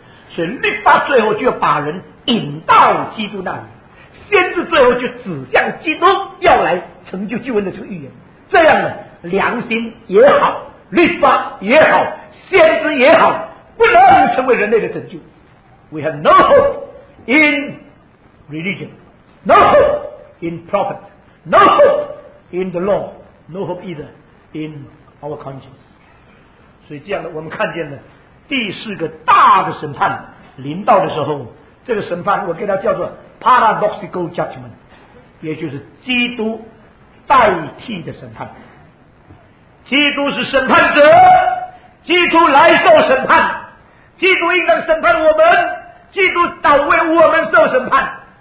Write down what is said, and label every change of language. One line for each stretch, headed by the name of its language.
Chinese: 所以律法最后就要把人引到基督那里，先知最后就指向基督要来成就救恩的这个预言。这样呢，良心也好，律法也好，先知也好，不能成为人类的拯救。
English: We have no hope in religion, no hope in prophet, no hope in the law, no hope either in our conscience.
Chinese: 所以这样的我们看见了第四个大的审判临到的时候，这个审判我给它叫做 paradoxical judgment， 也就是基督代替的审判。基督是审判者，基督来受审判，基督应当审判我们，基督倒为我们受审判。